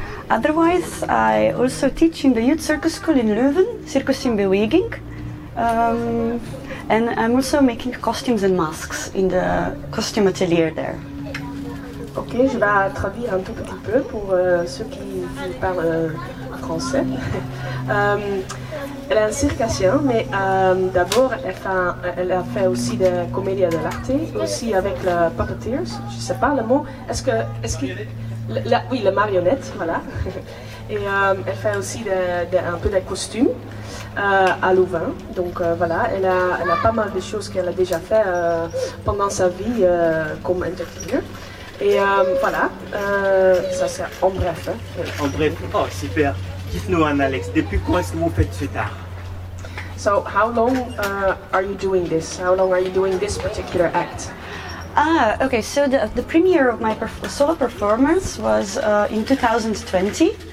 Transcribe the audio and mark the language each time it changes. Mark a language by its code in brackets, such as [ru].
[en] Otherwise, I also teach in the youth circus school in Leuven, Circus in Beweging, and I'm also making costumes and masks in the costume atelier there. [fr] Ok, je vais traduire un tout petit peu pour ceux qui parlent français. Elle est circassienne, mais d'abord, elle a fait aussi des comédies de l'arté, aussi avec le puppeteers, je ne sais pas le mot. La marionnette, voilà. Et elle fait aussi un peu des costumes à Louvain. Donc voilà, elle a pas mal de choses qu'elle a déjà fait pendant sa vie comme entertainer. Et voilà, ça c'est en bref. Hein. En bref, oh super. Dites-nous, Anne-Alex, depuis quand est-ce que vous faites cet art? [en] So, how long are you doing this? How long are you doing this particular act? So the premiere of my solo performance was in 2020.